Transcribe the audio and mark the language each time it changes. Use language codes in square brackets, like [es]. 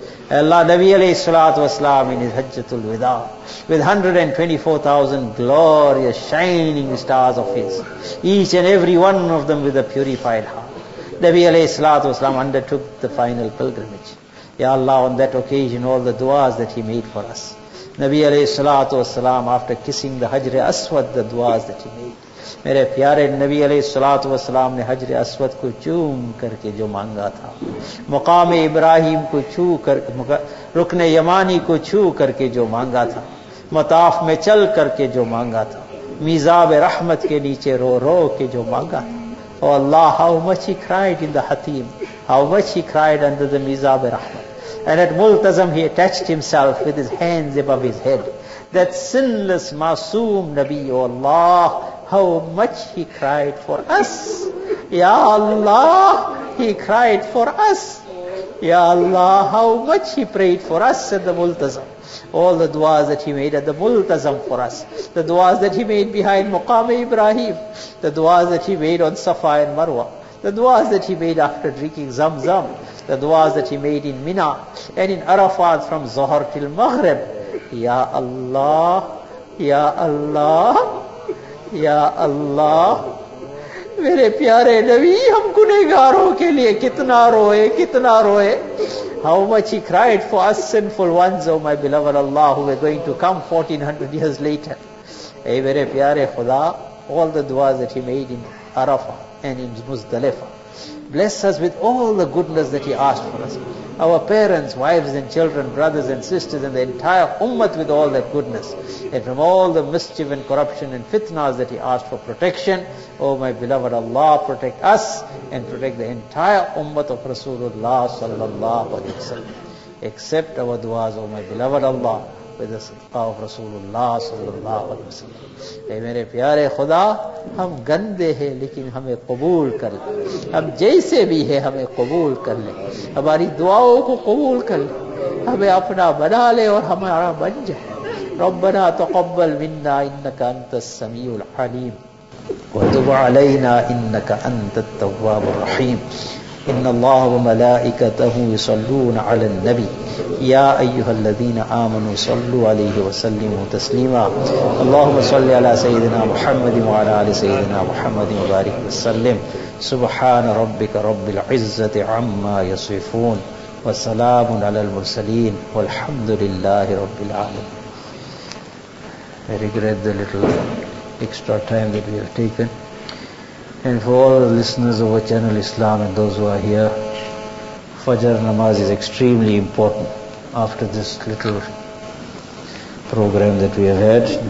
[en] Ya Allah, Nabi alayhi salatu wasalam in his Hajjatul Wida, with 124,000 glorious shining stars of his, each and every one of them with a purified heart. Nabi alayhi salatu wasalam undertook the final pilgrimage. Ya Allah, on that occasion, all the du'as that he made for us. Nabi alayhi salatu wasalam, after kissing the Hajr Aswad, the du'as that he made. [ur] میرے پیارے نبی علیہ الصلوۃ والسلام نے حجر اسود کو چوم کر کے جو مانگا تھا, مقام ابراہیم کو چھو کر, رکن یمانی کو چھو کر کے جو مانگا تھا, مطاف میں چل کر کے جو مانگا تھا, میزاب رحمت کے نیچے رو رو کے جو مانگا تھا, او اللہ, [en] How much he cried in the Hateem, how much he cried under the Mizab Rahmat, and at Multazam he attached himself with his hands above his head. That sinless معصوم نبی, oh Allah, how much he cried for us. Ya Allah, he cried for us. Ya Allah, how much he prayed for us at the Multazam. All the du'as that he made at the Multazam for us, the du'as that he made behind Muqam Ibrahim, the du'as that he made on Safa and Marwa, the du'as that he made after drinking Zamzam, the du'as that he made in Mina and in Arafat from Zohar till Maghrib. [ur] Ya Allah, Ya Allah, Ya Allah, میرے پیارے نبی, ہم گنہگاروں کے لیے کتنا روئے, کتنا روئے. [en] How much he cried for us sinful ones, oh my beloved Allah, who were going to come 1400 years later. [ur] اے میرے پیارے خدا, [en] all the du'as that he made in Arafah and in Muzdalifah, bless us with all the goodness that he asked for us, our parents, wives and children, brothers and sisters, and the entire ummah with all that goodness, and from all the mischief and corruption and fitnas that he asked for protection. Oh my beloved Allah, protect us and protect the entire ummah of Rasulullah sallallahu alaihi wasallam. Accept our du'as, oh my beloved Allah, with the sadqa of Rasulullah sallallahu alaihi wasallam. [ur] اے میرے پیارے خدا, ہم گندے ہیں لیکن ہمیں قبول کر لیں, ہم جیسے بھی ہیں ہمیں قبول کر لیں, ہماری دعاؤں کو قبول کر لیں, ہمیں اپنا بنا لے اور ہمارا بن جائے. [ar] ربنا تقبل منا انك انت السميع العليم وتب علينا انك انت التواب الرحيم. ان الله وملائكته يصلون على النبي يا ايها الذين امنوا صلوا عليه وسلموا تسليما. اللهم صل على سيدنا محمد وعلى ال سيدنا محمد وبارك وسلم. سبحان ربك رب العزه عما يصفون, وسلام على المرسلين, والحمد لله رب العالمين. [en] I regret the little extra time that we have taken. And for all the listeners of our channel Islam and those who are here, Fajr Namaz is extremely important after this little program that we have had.